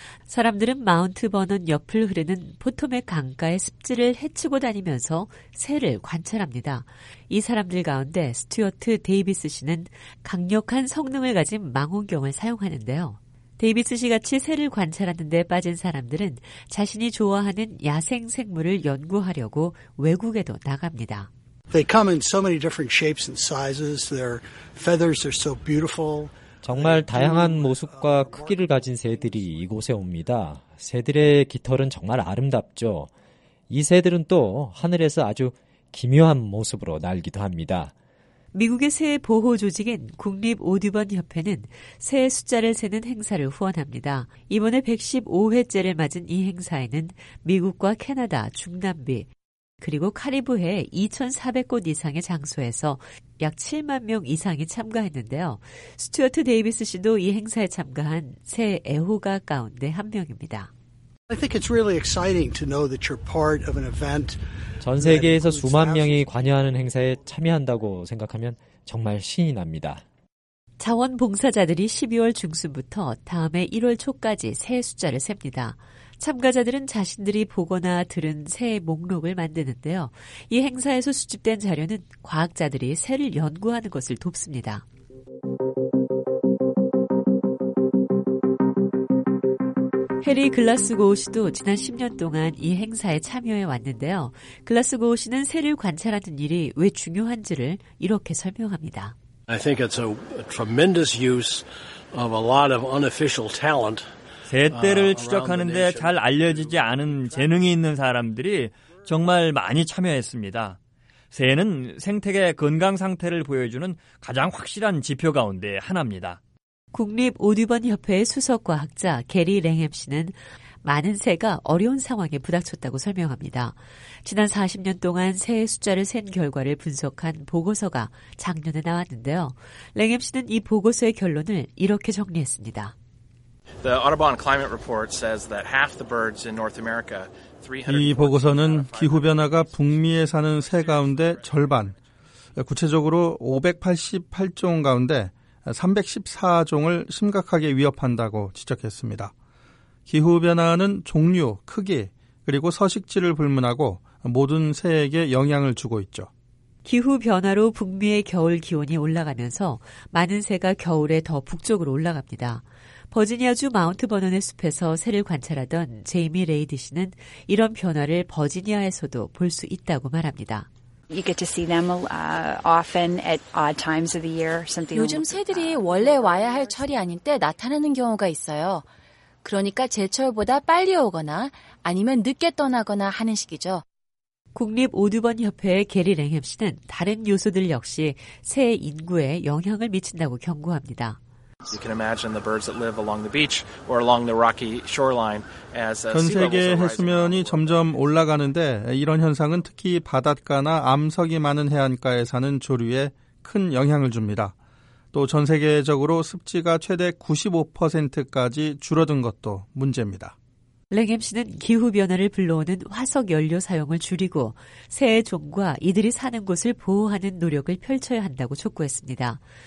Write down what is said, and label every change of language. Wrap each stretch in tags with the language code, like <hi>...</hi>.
<ko>사람들은 마운트 버넌 옆을 흐르는 포토맥 강가의 습지를 헤치고 다니면서 새를 관찰합니다. 이 사람들 가운데 스튜어트 데이비스 씨는 강력한 성능을 가진 망원경을 사용하는데요. 데이비스 씨 같이 새를 관찰하는 데 빠진 사람들은 자신이 좋아하는 야생 생물을 연구하려고 외국에도 나갑니다.</ko> <en>They come in so many different shapes and sizes. Their feathers are so beautiful.</en> <ko>정말 다양한 모습과 크기를 가진 새들이 이곳에 옵니다. 새들의 깃털은 정말 아름답죠. 이 새들은 또 하늘에서 아주 기묘한 모습으로 날기도 합니다. 미국의 새 보호 조직인 국립 오듀번 협회는 새 숫자를 세는 행사를 후원합니다. 이번에 115회째를 맞은 이 행사에는 미국과 캐나다, 중남미 그리고 카리브해 2,400곳 이상의 장소에서 약 7만 명 이상이 참가했는데요. 스튜어트 데이비스 씨도 이 행사에 참가한 새 애호가 가운데 한 명입니다.</ko> <en>I think it's really exciting to know that you're part of an event.</en> <ko>전 세계에서 수만 명이 관여하는 행사에 참여한다고 생각하면 정말 신이 납니다. 자원봉사자들이 12월 중순부터 다음해 1월 초까지 새 숫자를 셉니다. 참가자들은 자신들이 보거나 들은 새의 목록을 만드는데요. 이 행사에서 수집된 자료는 과학자들이 새를 연구하는 것을 돕습니다. 해리 글라스고우 씨도 지난 10년 동안 이 행사에 참여해 왔는데요. 글라스고우 씨는 새를 관찰하는 일이 왜 중요한지를 이렇게 설명합니다.</ko> <en>I think it's a tremendous use of a lot of unofficial talent.</en> <ko>새떼를 추적하는데 잘 알려지지 않은 재능이 있는 사람들이 정말 많이 참여했습니다. 새는 생태계 건강 상태를 보여주는 가장 확실한 지표 가운데 하나입니다. 국립 오듀번 협회의 수석과학자 게리 랭햄 씨는 많은 새가 어려운 상황에 부닥쳤다고 설명합니다. 지난 40년 동안 새의 숫자를 센 결과를 분석한 보고서가 작년에 나왔는데요. 랭햄 씨는 이 보고서의 결론을 이렇게 정리했습니다.</ko> <en>The Audubon Climate Report says that half the birds in North America, 300.</en> <ko>이 보고서는 기후 변화가 북미에 사는 새 가운데 절반, 구체적으로 588종 가운데 314종을 심각하게 위협한다고 지적했습니다. 기후 변화는 종류, 크기, 그리고 서식지를 불문하고 모든 새에게 영향을 주고 있죠. 기후 변화로 북미의 겨울 기온이 올라가면서 많은 새가 겨울에 더 북쪽으로 올라갑니다. 버지니아주 마운트 버넌의 숲에서 새를 관찰하던 제이미 레이드 씨는 이런 변화를 버지니아에서도 볼 수 있다고 말합니다.</ko> <en>You get to see them often at odd times of the year. Something</en> <ko>요즘 새들이 원래 와야 할 철이 아닌 때 나타나는 경우가 있어요. 그러니까 제철보다 빨리 오거나 아니면 늦게 떠나거나 하는 시기죠. 국립 오듀번 협회의 게리 랭햄 씨는 다른 요소들 역시 새 인구에 영향을 미친다고 경고합니다.</ko> <en>You can imagine the birds that live along the beach or along the rocky shoreline as</en> <ko>전 세계 해수면이 점점 올라가는데 이런 현상은 특히 바닷가나 암석이 많은 해안가에 사는 조류에 큰 영향을 줍니다. 또 전 세계적으로 습지가 최대 95%까지 줄어든 것도 문제입니다. 랭햄 씨는 기후 변화를 불러오는 화석 연료 사용을 줄이고 새의 종과 이들이 사는 곳을 보호하는 노력을 펼쳐야 한다고 촉구했습니다.</ko>